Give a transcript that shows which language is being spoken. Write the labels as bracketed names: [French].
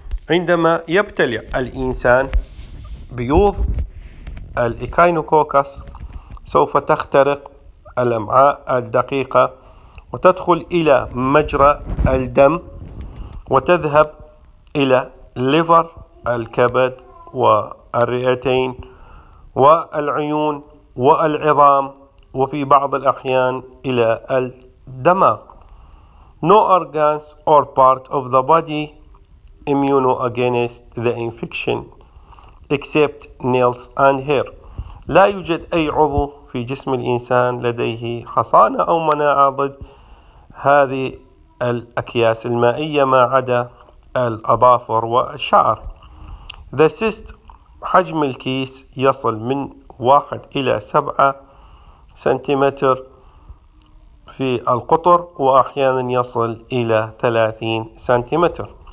[Arabic] عندما يبتلع الإنسان بيوض الإيكينوكوكس سوف تخترق الأمعاء الدقيقة وتدخل إلى مجرى الدم وتذهب إلى ليفر الكبد والرئتين والعيون والعظام وفي بعض الأحيان إلى الدماغ. [English] No organs or part of the body immune against the infection except nails and hair. [Arabic] لا يوجد أي عضو في جسم الإنسان لديه حصانة أو مناعة ضد هذه الأكياس المائية ما عدا الأظافر والشعر. [English] The cyst [Arabic] حجم الكيس يصل من 1 إلى 7 سنتيمتر في القطر وأحيانا يصل إلى 30 سنتيمتر.